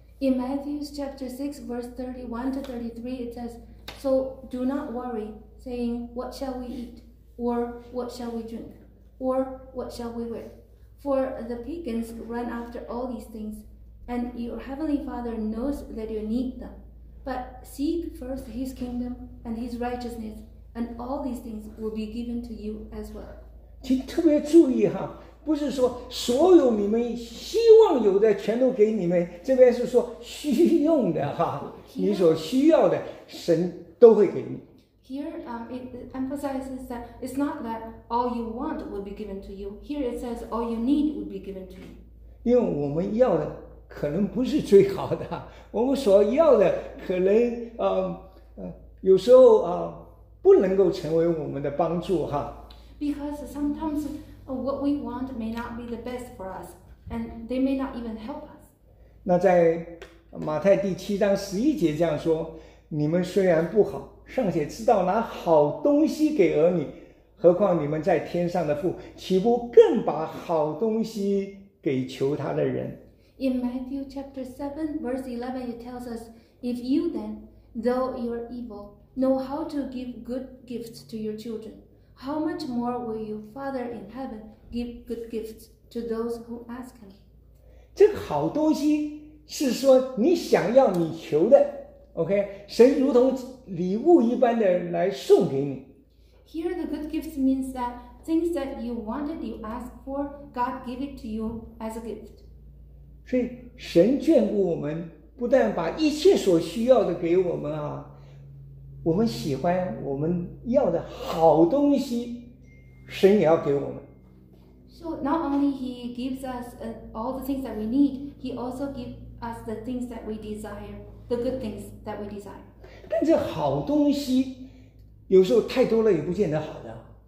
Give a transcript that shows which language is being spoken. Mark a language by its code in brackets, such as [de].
[en] In Matthew chapter 6 verse 31 to 33 it says, so do not worry saying what shall we eat or what shall we drink or what shall we wear, for the pagans run after all these things, and your heavenly father knows that you need them, but seek first his kingdom and his righteousness, and all these things will be given to you as well. [zh] 请特别注意哈，不是说所有你们希望有的全都给你们，这边是说需用的哈，你所需要的神都会给你。 [en] Here, it emphasizes that it's not that all you want will be given to you. Here it says all you need will be given to you. [zh] 因为我们要的可能不是最好的，我们所要的可能有时候不能够成为我们的帮助哈。 [en] Because sometimes what we want may not be the best for us, and they may not even help us. [zh] 那在马太第七章十一节这样说，你们虽然不好，尚且知道拿好东西给儿女，何况你们在天上的父，岂不更把好东西给求他的人？ [en] In Matthew chapter 7 verse 11 it tells us, if you then, though you are evil, know how to give good gifts to your children, how much more will your Father in heaven give good gifts to those who ask him? [zh] 这个好东西是说你想要你求的。 OK, 神如同礼物一般的来送给你。 [en] Here the good gifts means that things that you wanted, you asked for, God gave it to you as a gift. [zh] 所以神眷顾我们，不但把一切所需要的给我们啊，我们喜欢我们要的好东西，神也要给我们。 [en] So not only he gives us all the things that we need, he also gives us the things that we desire. The good things that we desire. [zh] 但这好东西有时候太多了也不见得好的。